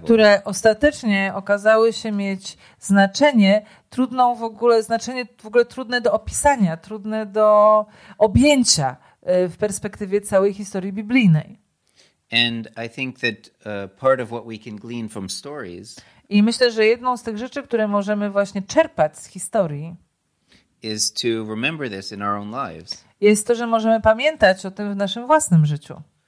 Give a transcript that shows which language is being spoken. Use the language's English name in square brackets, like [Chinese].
[Polish] Które ostatecznie okazały się mieć znaczenie trudną w ogóle znaczenie w ogóle trudne do opisania, trudne do objęcia w perspektywie całej historii biblijnej. [English] And I think that part of what we can glean from stories. [Polish] I myślę, że jedną z tych rzeczy, które możemy właśnie czerpać z historii, [English] is to remember this in our own lives. [Polish] Jest to, że możemy pamiętać o tym w naszym własnym życiu.